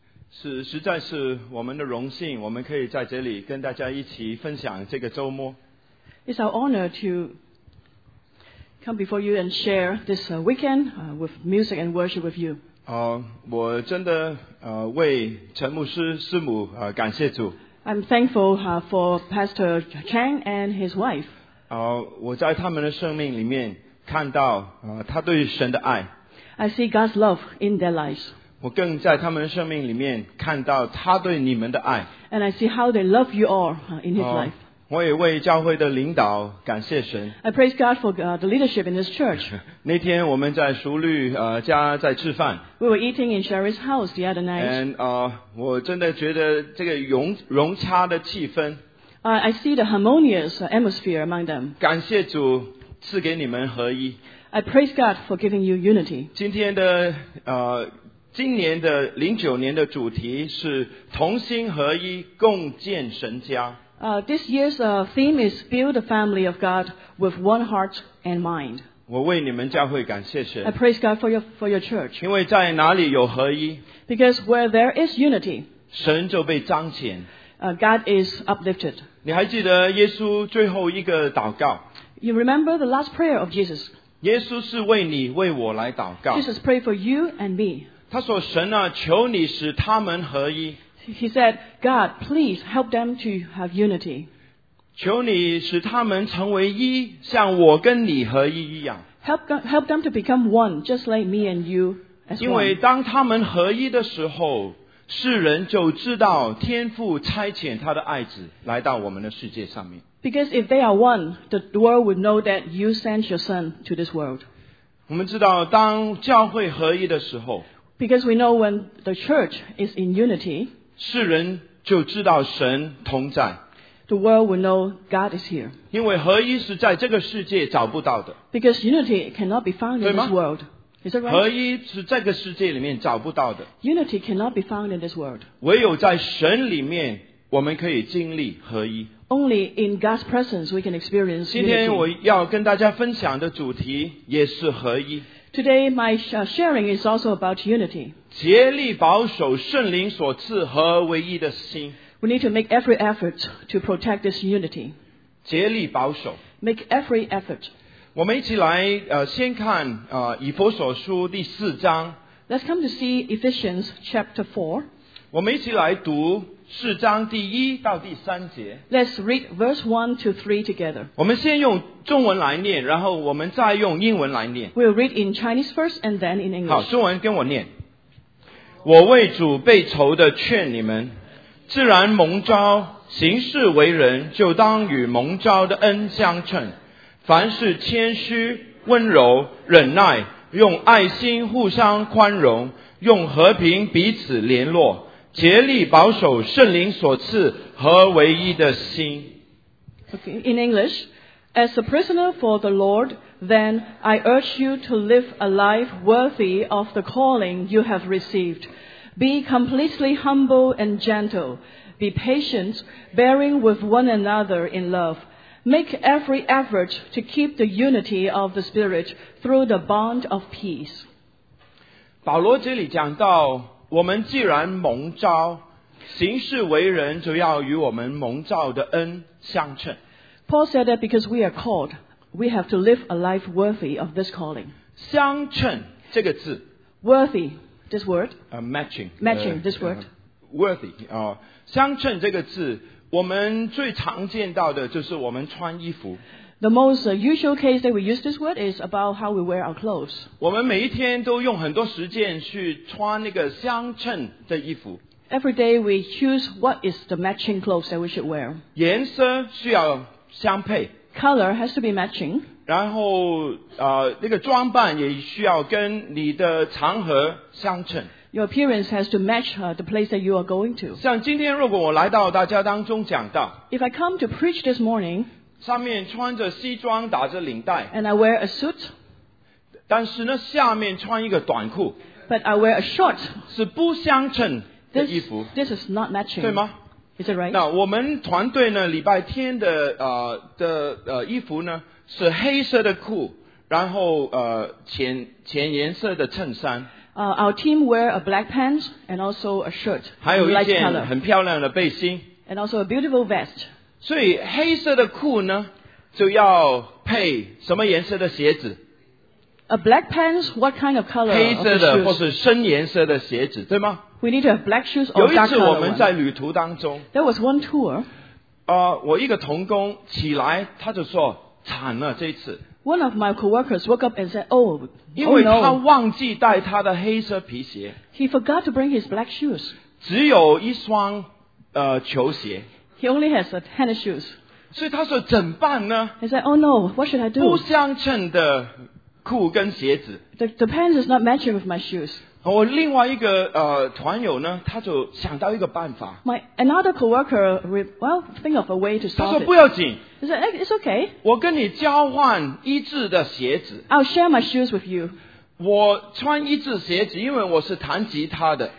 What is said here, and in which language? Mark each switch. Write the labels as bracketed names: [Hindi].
[Chinese] 是实在是我们的荣幸，我们可以在这里跟大家一起分享这个周末。 [English] It's our honor to come before you and share this weekend with music and worship with you. [Chinese] 我真的为陈牧师师母感谢主。 [English] I'm thankful for Pastor Chang and his wife. [Chinese] 我在他们的生命里面看到他对神的爱。 [English] I see God's love in their lives. [Chinese] 我更在他们的生命里面看到他对你们的爱。 [English] And I see how they love you all in his life. [Chinese] 我也为教会的领导感谢神。 [English] I praise God for the leadership in this church. [Chinese] 那天我们在淑律家在吃饭。 [English] We were eating in Sherry's house the other night. [Chinese] And 我真的觉得这个融洽的气氛。 [English] I see the harmonious atmosphere among them. [Chinese] 感谢主赐给你们合一。 [English] I praise God for giving you unity. [Chinese] 今天的今年的09年的主题是同心合一，共建神家。 [English] This year's theme is build the family of God with one heart and mind. [Chinese] 我为你们教会感谢神。 [English] I praise God for your church. [Chinese] 因为在哪里有合一 [English] ？Because where there is unity, [Chinese] 神就被彰显。 [English] God is uplifted. [Chinese] 你还记得耶稣最后一个祷告？ [English] You remember the last prayer of Jesus. [Chinese] 耶稣是为你为我来祷告。 [English] Jesus prayed for you and me. [Chinese] 他说神啊求你使他们合一。 [English] He said, God, please help them to have unity. [Chinese] 求你使他们成为一，像我跟你合一一样。 [English] Help them to become one, just like me and you as one. [Chinese] 因为当他们合一的时候，世人就知道天父差遣他的爱子来到我们的世界上面。 [English] Because if they are one, the world would know that you sent your son to this world. [Chinese] 我们知道当教会合一的时候， [English] Because we know when the church is in unity, [Chinese] 世人就知道神同在。 [English] The world would know God is here. [Chinese] 因为合一是在这个世界找不到的。 [English] Because unity cannot be found in this world. Is that right? [Chinese] 合一是这个世界里面找不到的。 [English] Unity cannot be found in this world. [Chinese] 唯有在神里面我们可以经历合一。 [English] Only in God's presence we can experience unity. [Chinese] 今天我要跟大家分享的主题也是合一。 [English] Today my sharing is also about unity. [Chinese] 竭力保守圣灵所赐合唯一的心。 [English] We need to make every effort to protect this unity. [Chinese] 竭力保守。 [English] Make every effort. [Chinese] 我们一起来先看以弗所书第四章。 [English] Let's come to see Ephesians chapter 4. [Chinese] 我们一起来读四章第一到第三节。 [English] Let's read verse 1-3 together. [Chinese] 我们先用中文来念，然后我们再用英文来念。 [English] We'll read in Chinese first and then in English. [Chinese] 好，中文跟我念。我为主被仇的劝你们，既然蒙召，行事为人，就当与蒙召的恩相称。凡事谦虚、温柔、忍耐，用爱心互相宽容，用和平彼此联络。竭力保守圣灵所赐合唯一的心。 [English] Okay, in English, as a prisoner for the Lord, then I urge you to live a life worthy of the calling you have received. Be completely humble and gentle. Be patient, bearing with one another in love. Make every effort to keep the unity of the Spirit through the bond of peace. [Chinese] 保罗这里讲到我们既然蒙召，行事为人就要与我们蒙召的恩相称。 [English] Paul said that because we are called, we have to live a life worthy of this calling. [Chinese] 相称这个字 [English] ，worthy this word. Matching this word. [Chinese] Worthy 相称这个字，我们最常见到的就是我们穿衣服。 [English] The most usual case that we use this word is about how we wear our clothes. [Chinese] 我们每一天都用很多时间去穿那个相称的衣服。 [English] Every day we choose what is the matching clothes that we should wear. [Chinese] 颜色需要相配。 [English] Color has to be matching. [Chinese] 然后那个装扮也需要跟你的场合相称。 [English] Your appearance has to match the place that you are going to. [Chinese] 像今天如果我来到大家当中讲到。 [English] If I come to preach this morning, [Chinese] 上面穿着西装打着领带 [English] And I wear a suit [Chinese] 但是呢下面穿一个短裤 [English] But I wear a short [Chinese] 是不相称的衣服 [English] this is not matching [Chinese] 对吗 [English] Is it right? [Chinese] 那我们团队呢礼拜天的衣服呢是黑色的裤然后浅颜色的衬衫。 [English] Our team wear a black pants and also a shirt. [Chinese] 还有一件很漂亮的背心。 [English] And also a beautiful vest. [Chinese] 所以黑色的裤呢，就要配什么颜色的鞋子？ [English] A black pants, what kind of color? [Chinese] 黑色的或是深颜色的鞋子，对吗？ [English] We need to have black shoes or dark color ones. [Chinese] 有一次我们在旅途当中， [English] There was one tour. [Chinese] 我一个同工起来，他就说惨了这一次。 [English] One of my coworkers woke up and said, "Oh, oh no!" [Chinese] 因为他忘记带他的黑色皮鞋。 [English] He forgot to bring his black shoes. [Chinese] 只有一双球鞋。 [English] He only has a tennis shoes. [Chinese] 所以他说怎办呢？ [English] He said, "Oh no! What should I do?" [Chinese] 不相称的。裤跟鞋子。 [English] The pants is not matching with my shoes. [Chinese] 我另外一个团友呢，他就想到一个办法。 [English] My another coworker, well, think of a way to solve it. [Chinese] 他说不要紧。 [English] He said, hey, it's okay. [Chinese] 我跟你交换一致的鞋子。 [English] I'll share my shoes with you. [Chinese] 我穿一致鞋子，因为我是弹吉他的。